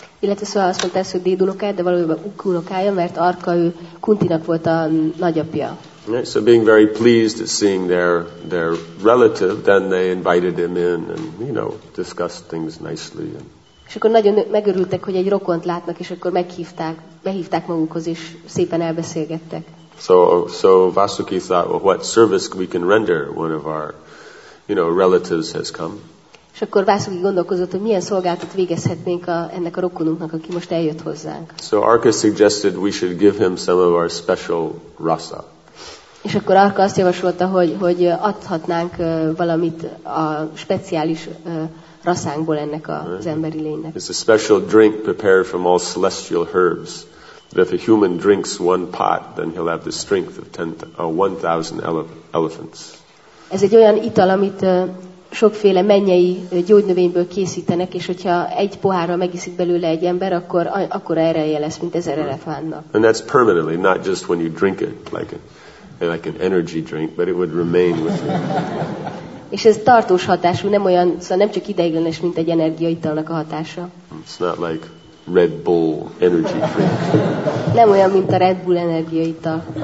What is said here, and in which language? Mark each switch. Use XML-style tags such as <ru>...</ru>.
<hu>Illetve szóval azt mondta, hogy déd unokája, de valójában ők unokája, mert Arka ő Kuntinak volt a nagyapja.</hu> <en>Yeah, so being very pleased at seeing their relative, then they invited him in and, you know, discussed things nicely.</en> <hu>És akkor nagyon megörültek, hogy egy rokont látnak, és akkor behívták magukhoz, és szépen elbeszélgettek.</hu> <en>So Vasuki thought, well, what service we can render one of our, you know, relatives has come.</en> <hu>És akkor Vászuki gondolkozott, hogy milyen szolgáltat végezhetnénk ennek a rokonunknak, aki most eljött hozzánk.</hu> <en>So Arka suggested we should give him some of our special rasa.</en> <hu>És akkor Arka azt javasolta, hogy adhatnánk valamit a speciális rasszánkból ennek az emberi lénynek.</hu> <en>It's a special drink prepared from all celestial herbs. But if a human drinks one pot, then he'll have the strength of 1,000 elephants.</en> <hu>Ez egy olyan ital, amit sokféle mennyei gyógynövényből készítenek, és hogyha egy pohárra megiszik belőle egy ember, akkor ereje lesz, mint 1,000 elefántnak.</hu> <en>And that's permanently, not just when you drink it, like an energy drink, but it would remain with you.</en> <hu>És ez tartós hatású, nem olyan, szóval nem csak ideiglenes, mint egy energiaitalnak a hatása.</hu> <en>It's not like Red Bull energy drink.</en> <hu>Nem olyan, mint a Red Bull energiaital.</hu>